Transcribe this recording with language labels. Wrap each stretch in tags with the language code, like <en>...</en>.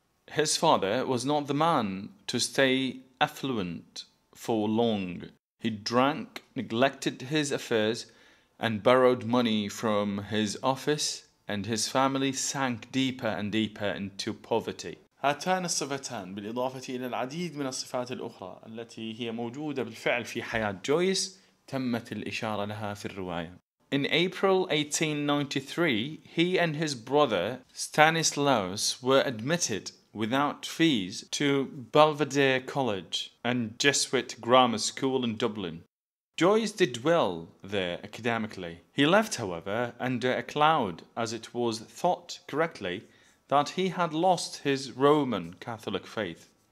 <en>His father was not the man to stay affluent for long. He drank, neglected his affairs, and borrowed money from his office, and his family sank deeper and deeper into poverty.</en> <ar>هاتان الصفتان بالإضافة إلى العديد من الصفات الأخرى التي هي موجودة بالفعل في حياة جويس تمت الإشارة لها في الرواية.</ar> <en>In April 1893, he and his brother Stanislaus were admitted without fees to Belvedere College and Jesuit Grammar School in Dublin. Joyce did well there academically. He left, however, under a cloud, as it was thought correctly that he had lost his Roman Catholic faith.</en>